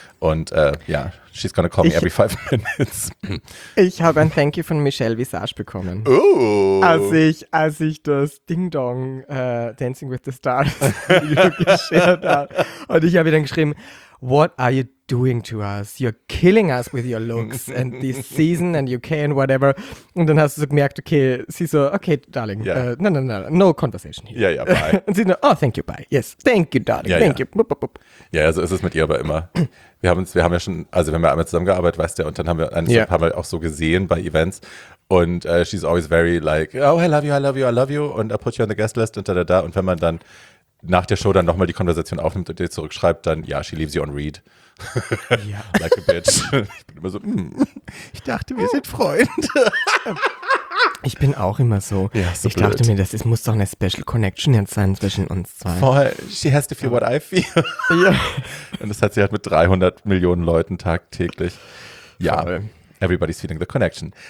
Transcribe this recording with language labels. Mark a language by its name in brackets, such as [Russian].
[English] Und she's gonna call me every 5 minutes. [German] Ich habe ein Thank You von Michelle Visage bekommen. Oh! Als ich das Ding Dong Dancing with the Stars geshared habe. Und ich habe ihr dann geschrieben, [English] what are you doing to us? You're killing us with your looks and this season and UK and whatever. [German] Und dann hast du so gemerkt, okay, sie so, [English] okay, darling, no conversation here. Yeah, bye. [German] Und sie so, oh, [English] thank you, bye. Yes, thank you, darling, thank you. [German] Ja, so ist es mit ihr aber immer. Wir haben ja einmal zusammengearbeitet, weißt du, und dann haben wir ein paar Mal auch so gesehen bei Events. [English] Und she's always very like, oh, I love you. And I put you on the guest list [German] und da. Und wenn man dann nach der Show dann nochmal die Konversation aufnimmt und dir zurückschreibt, dann, [English] she leaves you on read. [German] Ja. [English] Like a bitch. [German] Ich bin immer so, ich dachte, wir sind Freunde. Ich bin auch immer so. Ja, so ich dachte mir, das muss doch eine Special Connection jetzt sein zwischen uns zwei. [English] Voll, she has to feel what I feel. [German] Ja. Und das hat sie halt mit 300 Millionen Leuten tagtäglich. Ja, [English] everybody's feeling the connection.